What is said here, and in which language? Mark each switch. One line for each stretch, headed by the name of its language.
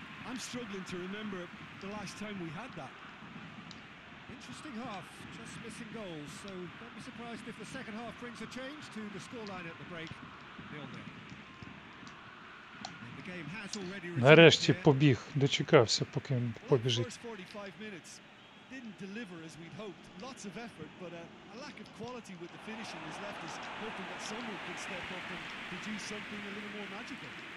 English: I'm struggling to remember the last time we had that. Interesting half, just missing goals, so don't be surprised if the second half brings a change to the scoreline at the break. Nil-nil. The game has already resumed.
Ukrainian: Нарешті побіг, дочекався, поки він побіжить.
English: First 45 minutes didn't deliver as we'd hoped. Lots of effort, but a lack of quality with the finishing has left us hoping that someone could step up and produce something a little more magical.